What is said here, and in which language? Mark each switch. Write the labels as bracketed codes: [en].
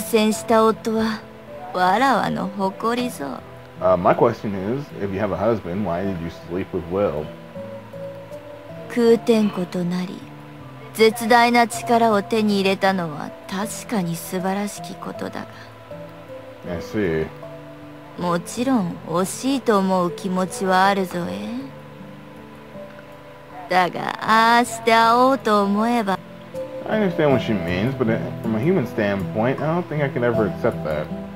[ja] よくぞ決断したと思うたわ。己よりも世の安定を優先した夫は、わらわの誇りぞ。 [en] My question is, if you have a husband, why did you sleep with Will? [ja] 空天狗となり、絶大な力を手に入れたのは確かに素晴らしきことだが。 [en] I see. [ja] もちろん惜しいと思う気持ちはあるぞえ。 [en] I understand what she means, but from a human standpoint, I don't think I could ever accept that.